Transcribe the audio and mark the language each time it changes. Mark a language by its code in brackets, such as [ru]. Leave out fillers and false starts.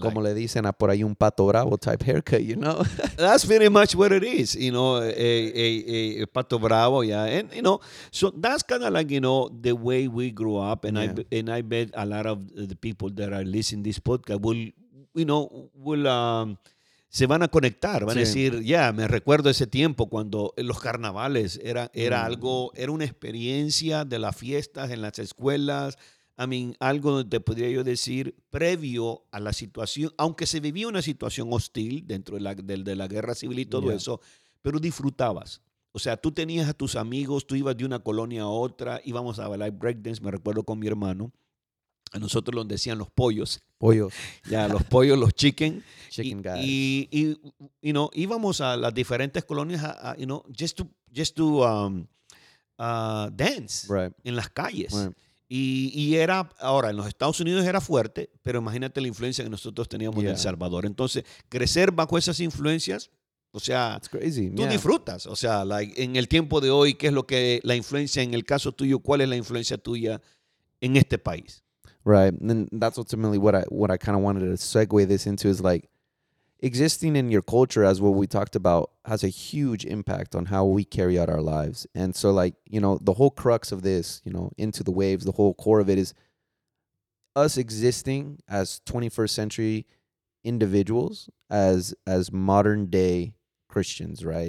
[es] como le dicen a por ahí un pato bravo [en] type haircut, you know? That's pretty much what it is, you know, a pato bravo, yeah. And, you know, so that's kind of like, you know, the way we grew up. And I bet a lot of the people that are listening to this podcast will, you know, will... [es] se van a conectar, van a decir, ya, me recuerdo ese tiempo cuando los carnavales era algo, era una experiencia de las fiestas en las escuelas. [en] I mean, [es] algo te podría yo decir, previo a la situación, aunque se vivía una situación hostil dentro de la guerra civil y todo eso, pero disfrutabas. O sea, tú tenías a tus amigos, tú ibas de una colonia a otra, íbamos a bailar breakdance, me recuerdo con mi hermano. A nosotros nos decían los pollos. Pollos. Ya, los pollos, los chicken. [en] Chicken guys. [es] Y [en] you know, [es] íbamos a las diferentes colonias, [en] just to dance right. [es] en las calles. Right. Y era, ahora, en los Estados Unidos era fuerte, pero imagínate la influencia que nosotros teníamos en El Salvador. Entonces, crecer bajo esas influencias, o sea, [en] it's crazy. [es] Tú disfrutas. O sea, like, en el tiempo de hoy, ¿qué es lo que la influencia, en el caso tuyo, cuál es la influencia tuya en este país? [en] Right, and that's ultimately what I kind of wanted to segue this into is like, existing in your culture, as what we talked about, has a huge impact on how we carry out our lives. And so, like, you know, the whole crux of this, you know, into the waves, the whole core of it is us existing as 21st century individuals, as modern day Christians, right?